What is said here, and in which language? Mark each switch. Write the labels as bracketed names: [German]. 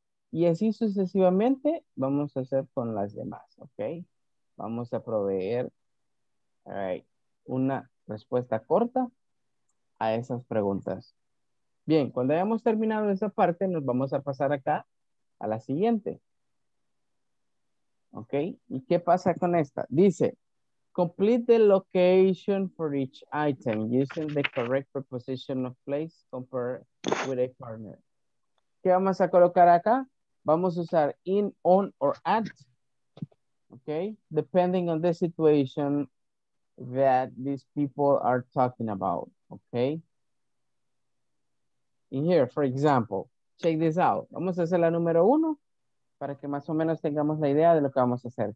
[Spanish] Y así sucesivamente vamos a hacer con las demás, okay. Vamos a proveer, all right, una respuesta corta a esas preguntas. Bien, cuando hayamos terminado esa parte, nos vamos a pasar acá a la siguiente. Ok, ¿y qué pasa con esta? [English] Dice, complete the location for each item using the correct preposition of place compared with a partner. [Spanish] ¿Qué vamos a colocar acá? Vamos a usar in, on, or at. [English] Ok, depending on the situation that these people are talking about. Ok. In here, for example, check this out. [Spanish] Vamos a hacer la número uno, para que más o menos tengamos la idea de lo que vamos a hacer.